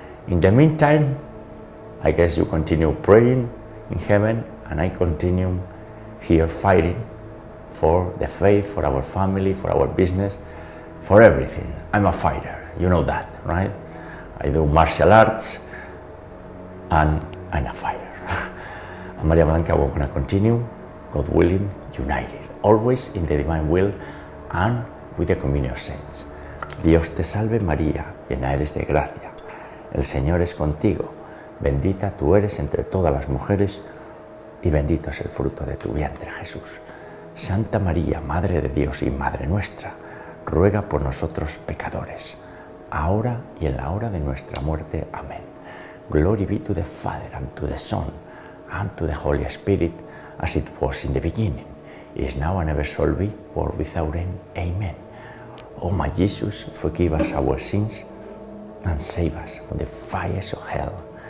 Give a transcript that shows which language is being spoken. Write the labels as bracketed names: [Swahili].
[English] In the meantime, I guess you continue praying in heaven, and I continue here fighting for the faith, for our family, for our business, for everything. I'm a fighter, you know that, right? I do martial arts, and I'm a fighter. And Maria Blanca, we're gonna continue, God willing, united, always in the divine will and with the communion of saints. [Spanish] Dios te salve, María, llena eres de gracia. El Señor es contigo. Bendita tú eres entre todas las mujeres y bendito es el fruto de tu vientre, Jesús. Santa María, Madre de Dios y Madre nuestra, ruega por nosotros, pecadores, ahora y en la hora de nuestra muerte. Amén. [English] Glory be to the Father, and to the Son, and to the Holy Spirit, as it was in the beginning, is now and ever shall be, world without end. Amen. O my Jesus, forgive us our sins, and save us from the fires of hell.